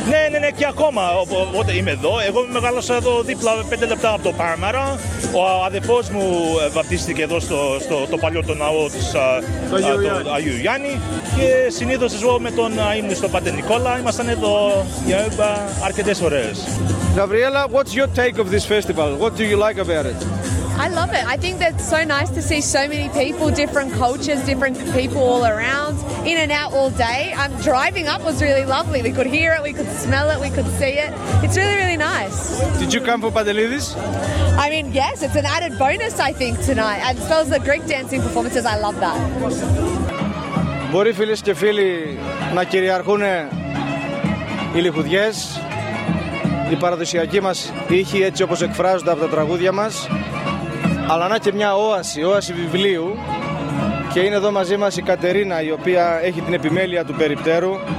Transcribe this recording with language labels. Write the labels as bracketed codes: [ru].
[el] Ναι, και ακόμα όταν είμαι εδώ. Εγώ μεγάλωσα εδώ δίπλα 5 λεπτά από το Πάρμαρα. Ο αδερφός μου βαπτίστηκε εδώ στο παλιό το ναό της Αγίου Γιάννη. Και συνήθως εγώ με τον ύμνηστο Πατέρ Νικόλα ήμασταν εδώ για αρκετά. αρκετές ωραίες. [en] Gabriela, what's your take of this festival? What do you like about it? I love it. I think that it's so nice to see so many people, different cultures, different people all around, in and out all day. Driving up was really lovely. We could hear it, we could smell it, we could see it. It's really, really nice. Did you come for Padelidis? I mean, yes, it's an added bonus, I think, tonight. And as well as the Greek dancing performances, I love that. [el] Μπορεί φίλες και φίλοι να κυριαρχούν οι λιχουδιές, η παραδοσιακή μας ήχη έτσι όπως εκφράζονται από τα τραγούδια μας, αλλά να και μια όαση, όαση βιβλίου, και είναι εδώ μαζί μας η Κατερίνα, η οποία έχει την επιμέλεια του περιπτέρου.